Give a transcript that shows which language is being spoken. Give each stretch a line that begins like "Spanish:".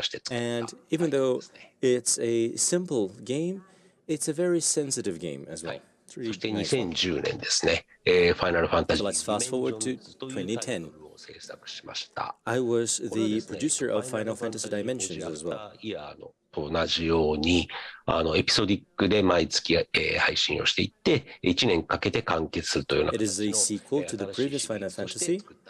English: And even though it's a simple game,It's a very sensitive game as well.
Japanese: そして2010年ですね、Final Fantasy.
English: Let's fast forward to 2010. I was the producer of Final Fantasy Dimensions as well.
Japanese: と同じようにエピソディックで毎月、配信をしていって、1年かけて完結するというような形の。
English: It is a sequel to the previous Final Fantasy.